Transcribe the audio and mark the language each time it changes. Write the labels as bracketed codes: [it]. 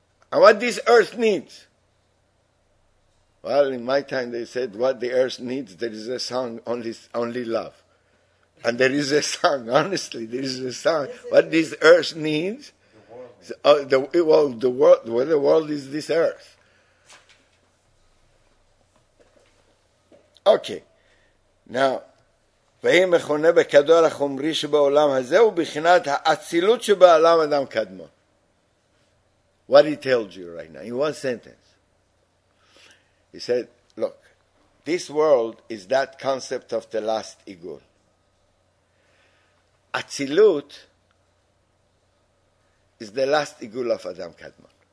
[en] And what this earth needs? Well, in my time they said, what the earth needs, there is a song, only love. And there is a song, honestly, there is a song. What this earth needs? Where the world is this earth? Okay. [he] Now, והיא מכונה בכדור החומרי שבעולם הזה ובחינת האצילות שבעולם אדם קדמון. [en] What he tells you right now, in one sentence. He said, look, this world is that concept of the last igul. Atzilut is the last igul of Adam Kadmon.